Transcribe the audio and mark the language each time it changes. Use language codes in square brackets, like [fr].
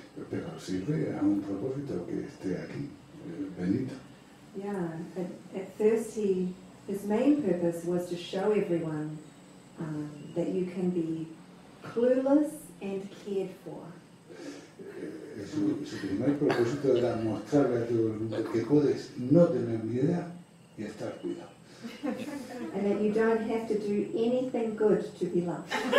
[es] Pero sirve a un propósito que esté aquí, Benito. [en] Yeah, at first his main purpose was to show everyone that you can be clueless and cared for. [es] Su primer propósito era mostrarle a todo el mundo que puedes no tener ni idea y estar cuidado. [en] And that you don't have to do anything good to be loved.